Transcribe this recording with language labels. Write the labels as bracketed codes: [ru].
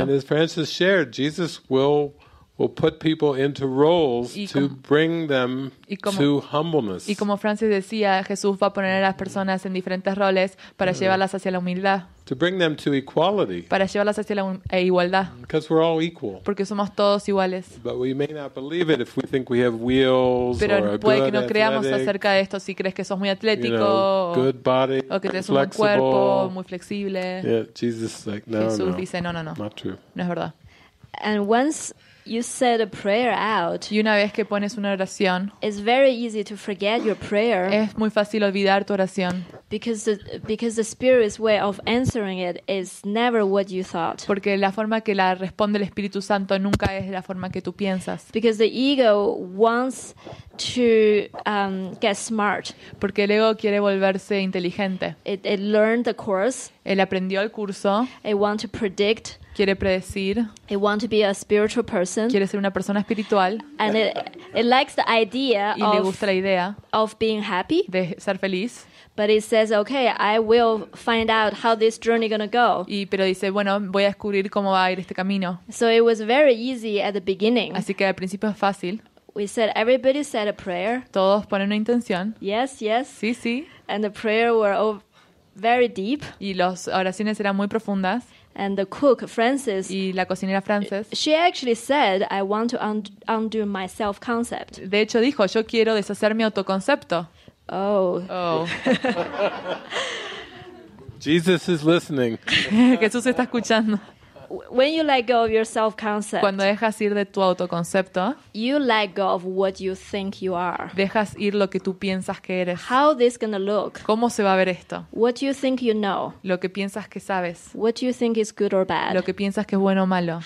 [en] And as Francis shared, Jesus will put people into roles to bring them to humbleness. [es] Y como Francis decía, Jesús va a poner a las personas en diferentes roles para llevarlas hacia la humildad. [en] To bring them to equality. [es] Para llevarlas hacia la igualdad. [en] Because we're all equal. [es] Porque somos todos iguales. [en] But we may not believe it if we think we have wheels or a good. [es] Pero puede que no creamos acerca de esto si crees que sos muy atlético, [en] good body, [es] o que tienes un buen cuerpo, muy flexible. [en] Yeah, Jesus is like, no, [es] Jesús no, dice no, no, no. [en] Not true. [es] No es verdad. [en] And once you said a prayer out. [es] Y una vez que pones una oración, [en] it's very easy to forget your prayer. [es] Es muy fácil olvidar tu oración. [en] Because the Spirit's way of answering it is never what you thought. [es] Porque la forma que la responde el Espíritu Santo nunca es la forma que tú piensas. [en] Because the ego wants to get smart. [es] Porque el ego quiere volverse inteligente. [en] It learned the course. [es] Él aprendió el curso. [en] It wants to predict. [es] Quiere predecir. [en] It wants to be a spiritual person. [es] Quiere ser una persona espiritual. [en] And it likes the idea [es] y le gusta la idea [en] of being happy. [es] De ser feliz. [en] But it says, okay, I will find out how this journey gonna go. [es] Y pero dice, bueno, voy a descubrir cómo va a ir este camino. [en] So it was very easy at the beginning. [es] Así que al principio es fácil. [en] We said everybody said a prayer. [es] Todos ponen una intención. [en] Yes, yes. [es] Sí, sí. [en] And the prayer were very deep. [es] Y las oraciones eran muy profundas. [en] And the cook Frances. [es] Y la cocinera Frances. [en] She actually said, "I want to undo my self-concept." [es] De hecho, dijo, "Yo quiero deshacer mi autoconcepto." Oh. [en] Jesus is listening. [es] Jesús está escuchando. [en] When you let go of your self-concept. [es] Cuando dejas ir de tu autoconcepto. [en] You let go of what you think you are. [es] Dejas ir lo que tú piensas que eres. [en] How this gonna look? [es] ¿Cómo se va a ver esto? [en] What you think you know. [es] Lo que piensas que sabes. [en] What you think is good or bad. [es] Lo que piensas que es bueno o malo.